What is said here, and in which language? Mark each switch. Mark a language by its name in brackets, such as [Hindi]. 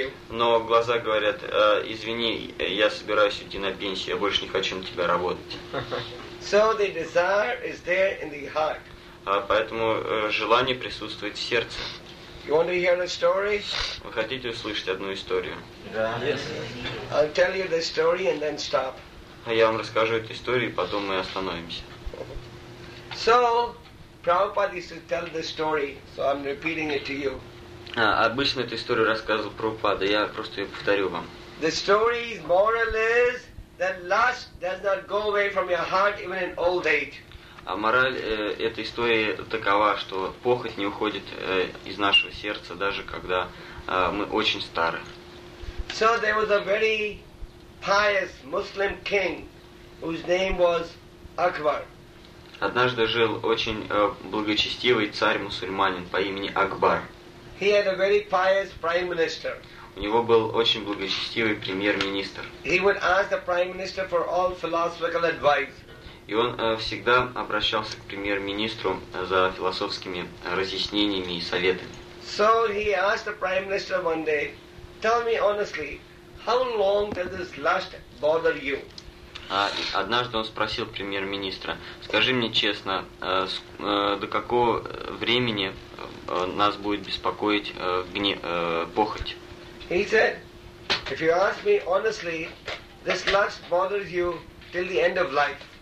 [Russian] Но глаза говорят, извини, я собираюсь уйти на пенсию, я больше не хочу на тебя работать. [English] So the desire is there in the heart. [Russian] Поэтому желание присутствует в сердце. [English] You want to hear a story? [Russian] Вы хотите услышать одну историю? Да. [English] I'll tell you the story and then stop. [Russian] Я вам расскажу эту историю, и потом мы остановимся. [English] So, Prabhupada used to tell the story, so I'm repeating it to you. [Russian] Обычно эту историю рассказывал Прабхупада, я просто ее повторю вам. [English] The story's moral is that lust does not go away from your heart even in old age. [Russian] А мораль этой истории такова, что похоть не уходит из нашего сердца, даже когда мы очень стары. [English] So there was a very pious Muslim king whose name was Akbar. [Russian] Однажды жил очень благочестивый царь-мусульманин по имени Акбар. [English] He had a very pious prime minister. [Russian] У него был очень благочестивый премьер-министр. [English] He would ask the prime minister for all philosophical advice. [Russian] И он всегда обращался к премьер-министру за философскими разъяснениями и советами. [English] So he asked the prime minister one day, tell me honestly, how long does this lust bother you? [Russian] Однажды он спросил премьер-министра, скажи мне честно, до какого времени нас будет беспокоить похоть? [English] He said, if you ask me honestly, this lust bothers you till the end of life.